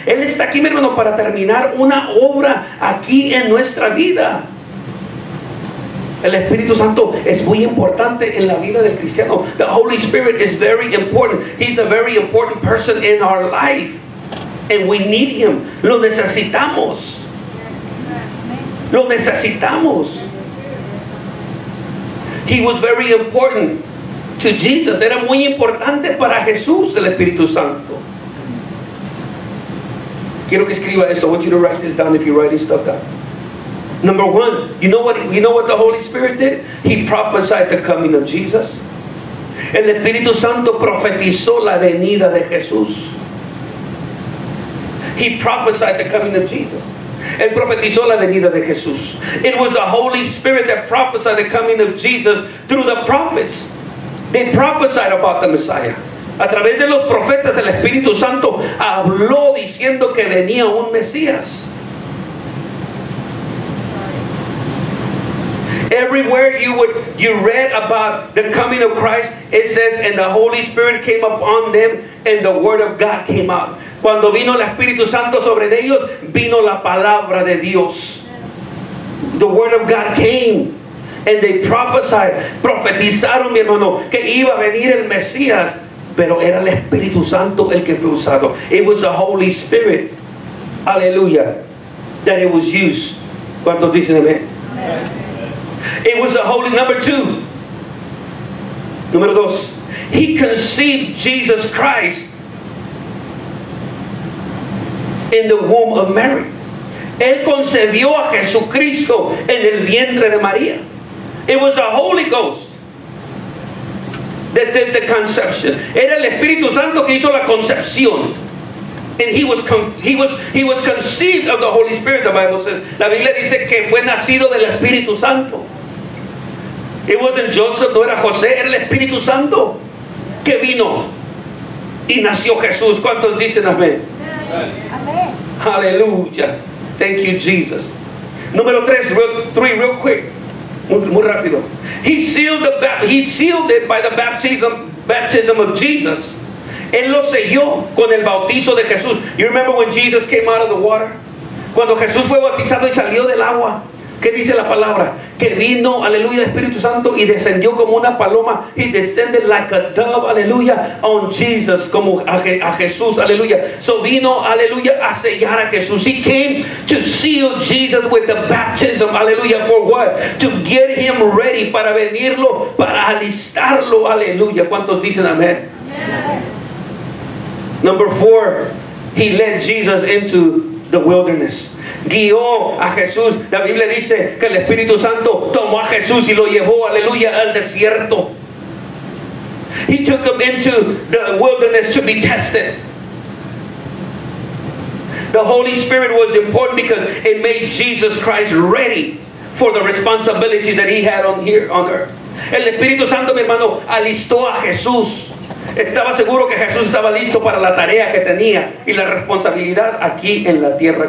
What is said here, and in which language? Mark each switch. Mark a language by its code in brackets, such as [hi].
[es] Él está aquí, mi hermano, para terminar una obra aquí en nuestra vida. El Espíritu Santo es muy importante en la vida del cristiano. [en] The Holy Spirit is very important. He's a very important person in our life. And we need Him. [es] Lo necesitamos. Lo necesitamos. [en] He was very important to Jesus. [es] Era muy importante para Jesús el Espíritu Santo. Quiero que escriba esto. [en] I want you to write this down if you're writing stuff down. Number one, you know what the Holy Spirit did? He prophesied the coming of Jesus. [es] El Espíritu Santo profetizó la venida de Jesús. [en] He prophesied the coming of Jesus. [es] Él profetizó la venida de Jesús. [en] It was the Holy Spirit that prophesied the coming of Jesus through the prophets. They prophesied about the Messiah. [es] A través de los profetas, el Espíritu Santo habló diciendo que venía un Mesías. [en] Everywhere you read about the coming of Christ, it says, and the Holy Spirit came upon them, and the Word of God came out. [es] Cuando vino el Espíritu Santo sobre ellos, vino la palabra de Dios. [en] The Word of God came, and they prophesied. [es] Profetizaron, mi hermano, que iba a venir el Mesías, pero era el Espíritu Santo el que fue usado. [en] It was the Holy Spirit, aleluya, that it was used. [es] ¿Cuántos dicen amén? [en] It was the Holy, number two. [es] Número dos. [en] He conceived Jesus Christ in the womb of Mary. [es] Él concebió a Jesucristo en el vientre de María. [en] It was the Holy Ghost that did the conception. [es] Era el Espíritu Santo que hizo la concepción. [en] And he was conceived of the Holy Spirit, the Bible says. [es] La Biblia dice que fue nacido del Espíritu Santo. [en] It wasn't Joseph, [es] no era José, era el Espíritu Santo que vino y nació Jesús. ¿Cuántos dicen amén? Amén. [en] Aleluya. Thank you, Jesus. [es] Número tres, [en] real quick. [es] Muy rápido. [en] He sealed it by the baptism of Jesus. [es] Él lo selló con el bautizo de Jesús. [en] You remember when Jesus came out of the water? [es] Cuando Jesús fue bautizado y salió del agua. ¿Qué dice la palabra? Que vino, aleluya, el Espíritu Santo y descendió como una paloma. [en] He descended like a dove, aleluya, on Jesus, [es] como a Jesús, [en] aleluya. [es] So vino, aleluya, a sellar a Jesús. [en] He came to seal Jesus with the baptism, aleluya. For what? To get him ready, [es] para venirlo, para alistarlo, [en] aleluya. [es] ¿Cuántos dicen amén? [en] Number four, he led Jesus into the wilderness. [es] Guió a Jesús. La Biblia dice que el Espíritu Santo tomó a Jesús y lo llevó, aleluya, al desierto. [en] He took him into the wilderness to be tested. The Holy Spirit was important because it made Jesus Christ ready for the responsibility that he had on here on earth. [es] El Espíritu Santo, mi hermano, alistó a Jesús. Estaba seguro que Jesús estaba listo para la tarea que tenía y la responsabilidad aquí en la tierra.